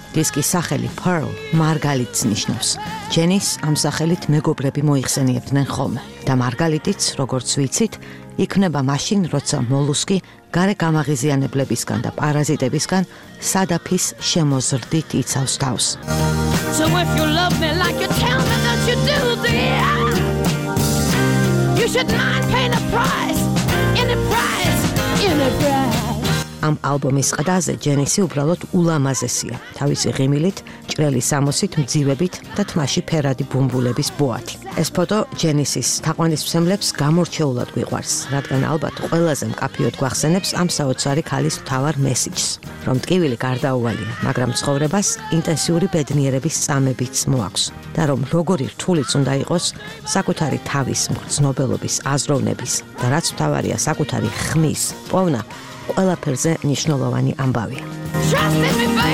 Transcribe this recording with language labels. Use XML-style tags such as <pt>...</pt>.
<ka>დისკის სახელი Pearl, მარგალიტს ნიშნავს. ჯენის ამ სახელით მეგობრები მოიხსენიებდნენ ხოლმე. და მარგალიტიც, როგორც ვიცით, იქნება მაშინ, როცა მოლუსკი გარე გამაღიზიანებლებისგან და პარაზიტებისგან სადაფის შემოზრდით იცავს თავს.</ka> <en>So if you love me like you tell me that you do, dear, you should not pay the price, any price, any price.</en> <ka>ამ ალბომის ყდაზე ჯენისი უბრალოდ ულამაზესია, თავისი ღიმილით, ჭრელი სამოსით, მძივებით და თმაში ფერადი ბუმბულების ბოათი. ეს ფოტო ჯენისის თაყვანისმცემლებს გამორჩეულად გვიყვარს, რადგან ალბათ ყველაზე მკაფიოდ გვახსენებს ამ საოცარი ქალის მთავარ მესიჯს, რომ ტკივილი გარდაუვალია, მაგრამ ცხოვრებას ინტენსიური ბედნიერების წამებიც მოაქვს და რომ როგორი რთულიც უნდა იყოს, საკუთარი თავის მგრძნობელობის, აზროვნების და რაც მთავარია საკუთარი ხმის პოვნა, ყველაფერზე მნიშვნელოვანი ამბავია.</ka>